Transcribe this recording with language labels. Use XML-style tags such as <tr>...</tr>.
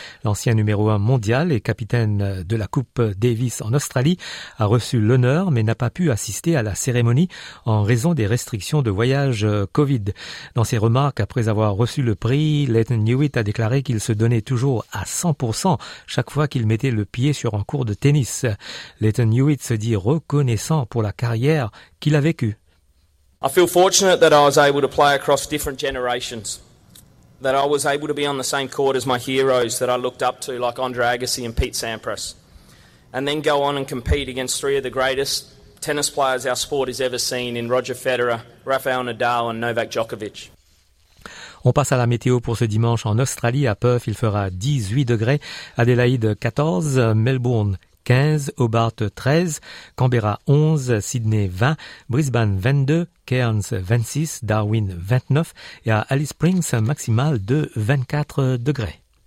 <fr>L'ancien numéro 1 mondial et capitaine de la Coupe Davis en Australie a reçu l'honneur mais n'a pas pu assister à la cérémonie en raison des restrictions de voyage Covid. Dans ses remarques après avoir reçu le prix, Leighton Hewitt a déclaré qu'il se donnait toujours à 100% chaque fois qu'il mettait le pied sur un court de tennis. Leighton Hewitt se dit reconnaissant pour la carrière qu'il a vécu.</fr> <en>I feel fortunate that I was able to play across different generations, that I was able to be on the same court as my heroes that I looked up to, like Andre Agassi and Pete Sampras, and then go on and compete against three of the greatest tennis players our sport has ever seen in Roger Federer, Rafael Nadal and Novak Djokovic.</en> <fr>On passe à la météo pour ce dimanche en Australie. À Perth, il fera 18 degrés, Adélaïde 14, Melbourne 15, Hobart 13, Canberra 11, Sydney 20, Brisbane 22, Cairns 26, Darwin 29 et à Alice Springs un maximal de 24 degrés.</fr>